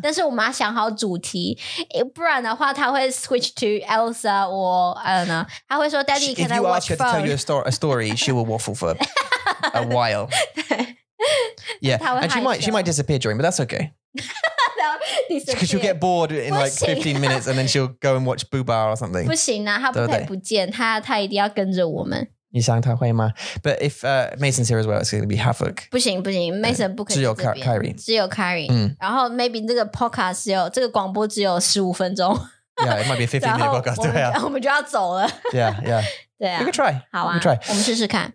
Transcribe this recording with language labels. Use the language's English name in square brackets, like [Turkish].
[Chinese] 但是我们要想好主题不然的话他会 [English] switch to Elsa or I don't know [Chinese] 他会说 [English] Daddy can I watch phone? If you ask her to tell you a story she will waffle for a while Yeah, and she might disappear during but that's okay Because she'll get bored in like 15 minutes and then she'll go and watch Booba or something. [Chinese] 不行啊,她不可以不见,她一定要跟着我们。你想她会吗? [English] But if Mason's here as well, it's going to be Havoc. [Chinese] 不行,Mason不可以在这边。只有Kyrie. 只有Kyrie。然后maybe这个广播只有15分钟。 [English] Yeah, it might be a 15-minute podcast. [Chinese] 我们就要走了。 [English] Yeah, yeah. [Chinese] 对啊, [English] we can try. [Chinese] 好啊, [English] we can try. [Chinese] 我们试试看。